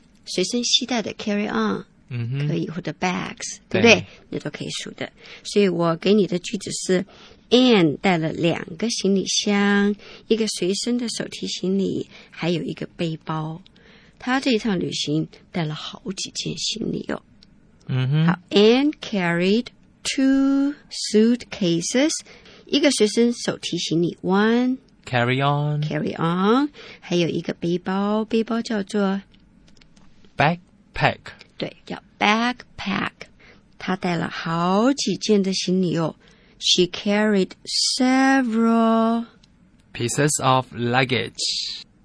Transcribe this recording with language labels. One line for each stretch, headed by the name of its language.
Chinese: 随身携带的 carry on、可以或者 bags 对不对那都可以数的所以我给你的句子是Ann 带了两个行李箱，一个随身的手提行李，还有一个背包。他这一趟旅行带了好几件行李哦。
English: 好 ，Ann carried two suitcases，
Chinese: 一个随身手提行李
English: ，one carry on，
Chinese: 还有一个背包，背包叫做
English: backpack，
Chinese: 对，叫 backpack。他带了好几件的行李哦。
English: She carried several pieces of luggage.